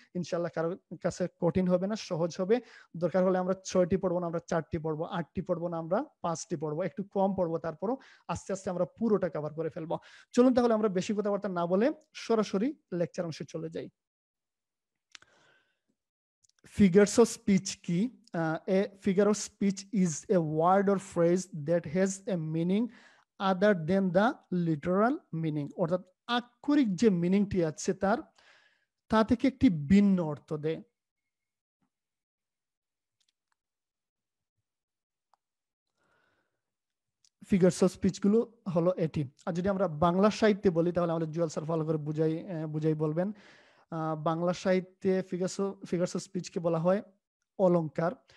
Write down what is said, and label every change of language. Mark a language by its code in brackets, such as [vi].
[bn] ইনশাল্লাহ কারোর কাছে কঠিন হবে না, সহজ হবে। দরকার হলে আমরা 6টি পড়বো না, আমরা 4টি পড়বো, 8টি পড়বো না, আমরা 5টি পড়বো, একটু কম পড়বো, তারপরও আস্তে আস্তে আমরা পুরোটা কভার করে ফেলবো। চলুন তাহলে আমরা বেশি কথাবার্তা না বলে সরাসরি লেকচার অংশে চলে যাই। Figures of speech কি? [en] A figure of speech is a word or phrase that has a meaning other than the literal meaning. [bn] অর্থাৎ আক্ষরিক যে মিনিংটি আছে তার তা থেকে একটি ভিন্ন অর্থ দেয়। ফিগার্স অফ স্পিচ গুলো হলো এটি। আর যদি আমরা বাংলা সাহিত্যে বলি তাহলে আমাদের জুয়েল স্যার ভালো করে বুঝাই বলবেন, বাংলা সাহিত্যে ফিগার্স অফ স্পিচকে বলা হয় অলংকার।